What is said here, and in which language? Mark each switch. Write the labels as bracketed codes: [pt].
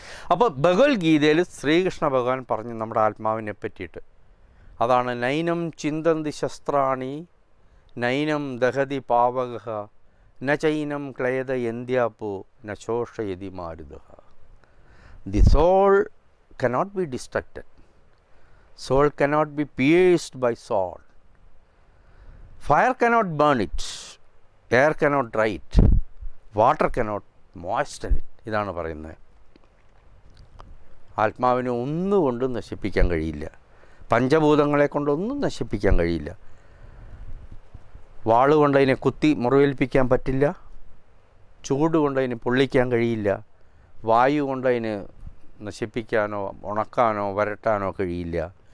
[ml] അപ്പോൾ ഭഗവത്ഗീതയിൽ ശ്രീകൃഷ്ണ ഭഗവാൻ പറഞ്ഞു നമ്മുടെ ആത്മാവിനെ പറ്റിയിട്ട്. [sa] അതാണ് നൈനം ചിന്തന്തി ശസ്ത്രാണി നൈനം ദഹതി പാവകഹ ന ചൈനം ക്ലേദ എന്ത്യാപ്പൂ ന ശോഷയതി മാരുതഹ. [en] The soul cannot be destructed. Soul cannot be pierced by sword. Fire cannot burn it. Air cannot dry it. Water cannot moisten it. [ml] ഇതാണ് പറയുന്നത്. ആത്മാവിനെ ഒന്നുകൊണ്ടും നശിപ്പിക്കാൻ കഴിയില്ല. പഞ്ചഭൂതങ്ങളെ കൊണ്ടൊന്നും നശിപ്പിക്കാൻ കഴിയില്ല. വാളുകൊണ്ട് അതിനെ കുത്തി മുറിവേൽപ്പിക്കാൻ പറ്റില്ല. ചൂടുകൊണ്ട് അതിനെ പൊള്ളിക്കാൻ കഴിയില്ല. വായു കൊണ്ട് അതിന് നശിപ്പിക്കാനോ ഉണക്കാനോ വരട്ടാനോ കഴിയില്ല.